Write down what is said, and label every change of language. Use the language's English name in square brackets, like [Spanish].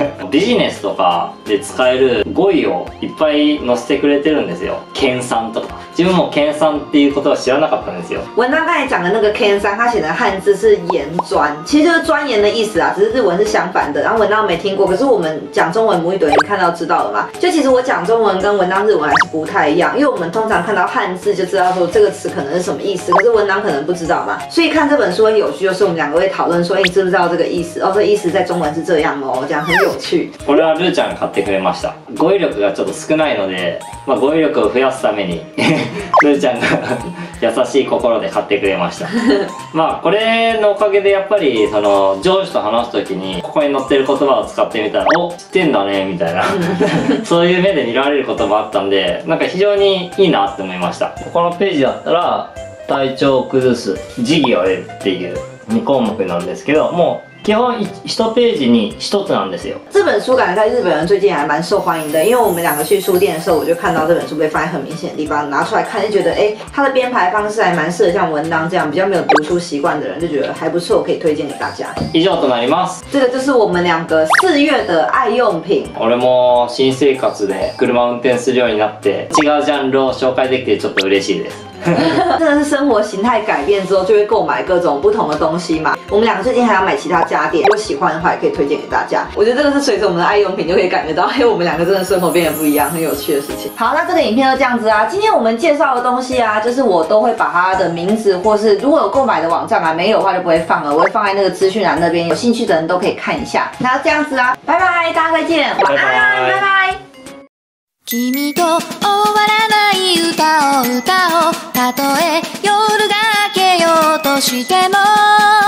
[Japanese] ビジネスとかで使える語彙をいっぱい載せてくれてるんですよ。研鑽とか。自分も鹼山っていうことは知らなかったんですよ。 [Chinese] 文章刚才讲的那个鹼山，它写的汉字是岩砖，其实就是钻研的意思啊，只是日文是相反的。然后文章没听过，可是我们讲中文母语读音看到知道了嘛？就其实我讲中文跟文章日文还是不太一样，因为我们通常看到汉字就知道说这个词可能是什么意思，可是文章可能不知道嘛。所以看这本书很有趣，就是我们两个会讨论说，哎，你知不知道这个意思？哦，这个、意思在中文是这样哦，这样很有趣。 [Japanese] これはルーちゃんが買ってくれました。語彙力がちょっと少ないので、まあ語彙力を増やすためにルーちゃんが優しい心で買ってくれました。まあこれのおかげでやっぱりその上司と話すときにここに載ってる言葉を使ってみたら、お、知ってんだねみたいなそういう目で見られることもあったんで、なんか非常にいいなって思いました。ここのページだったら体調を崩す、自疑を得るっていう2項目なんですけど、もう基本一ページに一つなんですよ。 [Chinese] 这本书感觉在日本人最近还蛮受欢迎的，因为我们两个去书店的时候，我就看到这本书被放在很明显的地方，拿出来看就觉得，哎，它的编排方式还蛮适合像文章这样比较没有读书习惯的人，就觉得还不错，可以推荐给大家。 [Japanese] 以上となります。 [Chinese] 这个就是我们两个四月的爱用品。 [Japanese] 俺も新生活で車運転するようになって、違うジャンルを紹介できてちょっと嬉しいです。 [Chinese] 真的是生活形态改变之后，就会购买各种不同的东西嘛。我们两个最近还要买其他家电，如果喜欢的话，也可以推荐给大家。我觉得这个是随着我们的爱用品就可以感觉到，嘿，我们两个真的生活变得不一样，很有趣的事情。好，那这个影片就这样子啊。今天我们介绍的东西啊，就是我都会把它的名字，或是如果有购买的网站啊，没有的话就不会放了，我会放在那个资讯栏那边，有兴趣的人都可以看一下。那这样子啊，拜拜，大家再见，晚安，拜拜。 [Japanese] 君と終わらない歌を歌おう。たとえ夜が明けようとしても。